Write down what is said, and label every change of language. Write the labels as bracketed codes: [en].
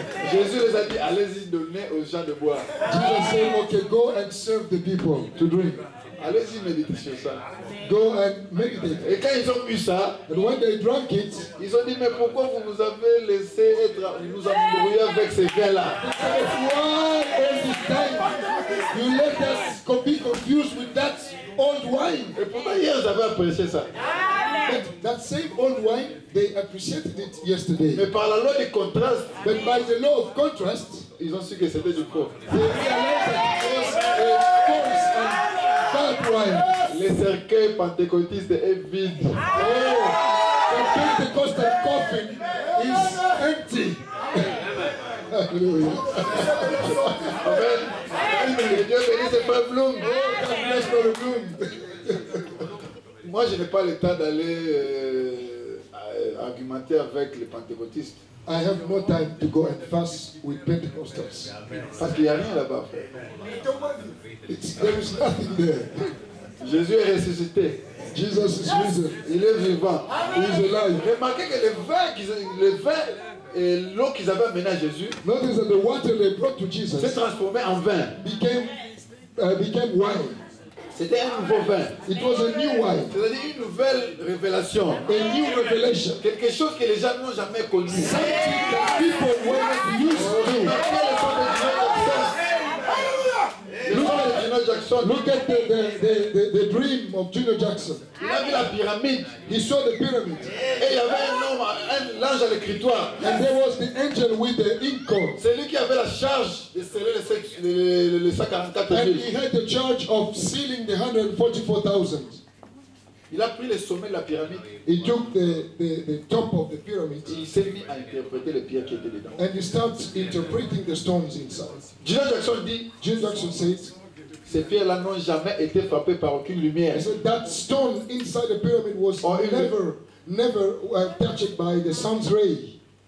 [fr] Jésus les a dit allez-y donner aux gens de boire. [en] Jesus said okay go and serve the people to drink. [fr] Allez-y méditer sur ça. [en] Go and meditate. [fr] Et quand ils ont bu ça, [en] and when they drank it, [fr] ils ont dit mais pourquoi vous nous avez laissé être, nous embrouiller avec ces vins là? [en] Why all this time you let us be confused with that old wine? [fr] Et pourtant hier j'avais apprécié ça. [en] But that same old wine, they appreciated it yesterday. [fr] Mais par la loi de contraste, [en] but by the law of contrast, [fr] ils ont su que c'était du faux. [en] They realized that it was a false and bad wine. [fr] Le cercueil pentecôtiste est vide. [en] Oh, the Pentecostal coffin is empty. Hallelujah. Amen. [fr] Dieu bénisse le frère Bloom. [en] God bless for the Bloom. [fr] Moi, je n'ai pas le temps d'aller argumenter avec les pentecôtistes. [en] I have no time to go and fast with Pentecostals. [fr] Parce qu'il n'y a rien là-bas. [en] There is nothing there. [fr] Jésus est ressuscité. [en] Jesus is risen. [fr] Il est vivant. [en] He is alive. [fr] Remarquez que le vin et l'eau qu'ils avaient amené à Jésus. [en] Notice that the water they brought to Jesus. [fr] S'est transformé en vin. [en] Became wine. [fr] C'était un nouveau vin. [en] It was a new wine. [fr] C'est-à-dire une nouvelle révélation. [en] A new revelation. [fr] Quelque chose que les gens n'ont jamais connu. [en] Something that people were not used to. Look at the dream of Junior Jackson. [fr] Il a vu la pyramide. [en] He saw the pyramid. [fr] Et il y avait un homme, l'ange à l'écritoire. [en] And there was the angel with the ink. [fr] C'est lui qui avait la charge de sceller les 144,000. [en] And he had the charge of sealing the 144,000. [fr] Il a pris le sommet de la pyramide. [en] He took the top of the pyramid. [fr] Il s'est mis à interpréter les pierres qui étaient dedans. [en] And he starts interpreting the stones inside. Jesus Jackson says, [fr] ces pierres-là n'ont jamais été frappées par aucune lumière. [en] He said that stone inside the pyramid was never touched by the sun's ray.